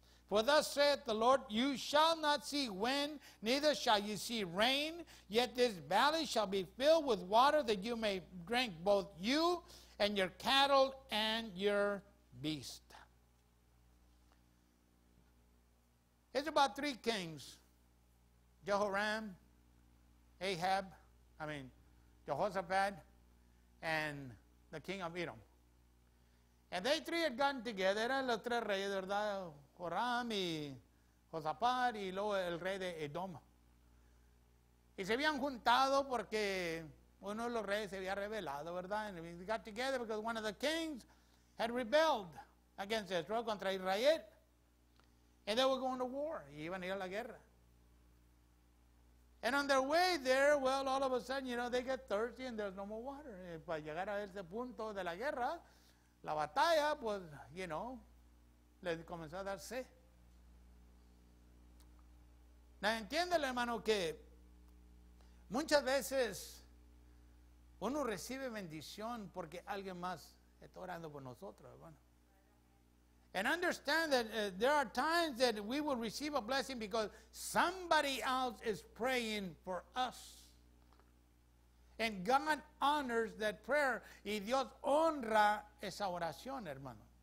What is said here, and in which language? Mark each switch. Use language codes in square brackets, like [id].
[en] For thus saith the Lord, you shall not see wind, neither shall you see rain, yet this valley shall be filled with water that you may drink both you and your cattle and your beast. It's about three kings, Jehoshaphat, and the king of Edom. And they three had gotten together, [es] eran los tres reyes, ¿verdad? Joram y Josapar y luego el rey de Edom. Y se habían juntado porque uno de los reyes se había rebelado, ¿verdad? [en] And they got together because one of the kings had rebelled against Israel, [es] contra Israel. [en] And they were going to war. [es] Y iban a ir a la guerra. [en] And on their way there, well, all of a sudden, you know, they get thirsty and there's no more water. [es] Y para llegar a ese punto de la guerra, la batalla, pues, you know, le comenzó a dar sed. Entiéndelo, hermano, que muchas veces uno recibe bendición porque alguien más está orando por nosotros, hermano. [en] And understand that there are times that we will receive a blessing because somebody else is praying for us. And God honors that prayer. [es] Y Dios honra esa oración, hermano.